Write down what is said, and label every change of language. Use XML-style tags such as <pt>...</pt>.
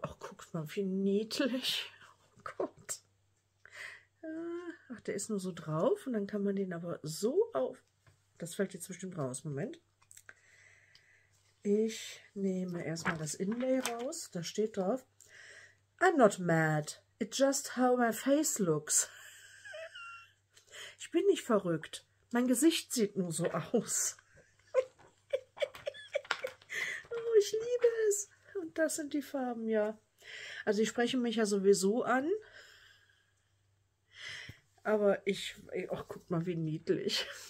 <de>Ach, guckt mal, wie niedlich. Oh Gott. Ach, der ist nur so drauf und dann kann man den aber so auf. Das fällt jetzt bestimmt raus. Moment. Ich nehme erstmal das Inlay raus. Da steht drauf:</de> <en>I'm not mad. It's just how my face looks.</en> <de>Ich bin nicht verrückt. Mein Gesicht sieht nur so aus. Oh, ich liebe es. Und das sind die Farben, ja. Also ich spreche mich ja sowieso an. Aber ach, guck mal, wie niedlich.</de>